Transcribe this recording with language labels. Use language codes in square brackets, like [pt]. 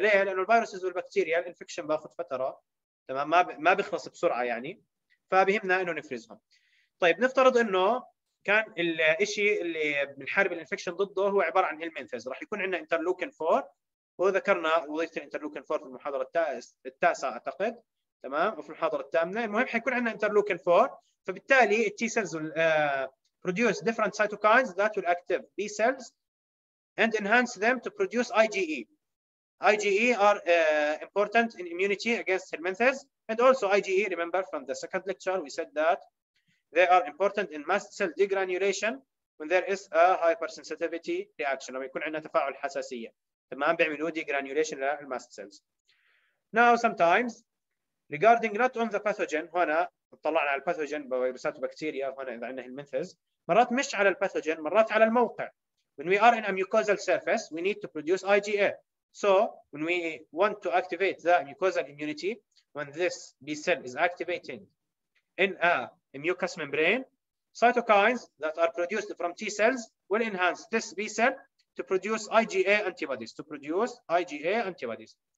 [ar] ليه؟ لانه الفيروسز والبكتيريا الانفكشن باخذ فتره, تمام, ما بيخلص بسرعه يعني, فبهمنا انه نفرزهم. طيب نفترض انه كان الشيء اللي بنحارب الانفكشن ضده هو عباره عن هيلمنثز, راح يكون عندنا انترلوكين 4 وذكرنا وظيفة الانترلوكين 4 في المحاضرة التاسعة أعتقد، تمام، وفي المحاضرة الثامنة. المهم حيكون عندنا انترلوكين 4، فبالتالي [en] T cells will produce different cytokines that will active B cells and enhance them to produce IgE. IgE are important in immunity against helminthes, and also IgE, remember from the second lecture we said that they are important in mast cell degranulation when there is a hypersensitivity reaction. [ar] لما يكون عندنا تفاعل حساسية، تمام، بيعملوا degranulation للمست cells. [en] Now sometimes regarding not on the pathogen، [ar] هنا طلعنا على الباثوجين فيروسات وبكتيريا، هنا إذا عندنا هلمنثز، مرات مش على الباثوجين، مرات على الموقع. [en] When we are in a mucosal surface we need to produce IgA. So when we want to activate the mucosal immunity, when this B cell is activating in a mucous membrane, cytokines that are produced from T cells will enhance this B cell to produce IgA antibodies, to produce IgA antibodies.